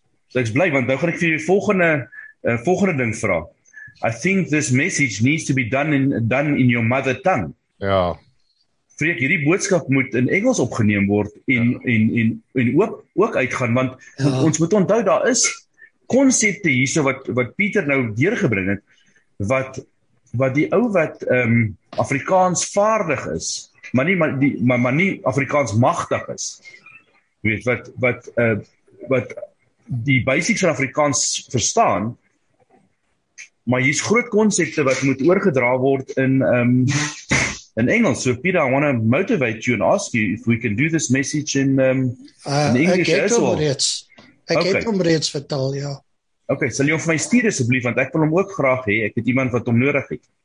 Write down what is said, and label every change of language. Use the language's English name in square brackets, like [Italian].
[Afrikaans] So ek is bly, want nou gaan ek vir die volgende ding vra. [English] I think this message needs to be done in your mother tongue. [Afrikaans] Ja. Freek, hierdie boodskap moet in Engels opgeneem word en ook uitgaan, want ons moet onthou, daar is konsepte hierso wat Pieter nou deurgebring het, wat die ou wat Afrikaans vaardig is, maar nie Afrikaans magtig is, weet, wat die basics van Afrikaans verstaan, maar hier is groot konsepte wat moet oorgedra word in Engels. [English] So Peter, I want to motivate you and ask you if we can do this message in English as well. [Afrikaans] Ek het hom reeds vertel, ja. Okay, sal jy hom vir my stuur asseblief, want ek wil hom ook graag hê. Ek het iemand wat hom nodig het.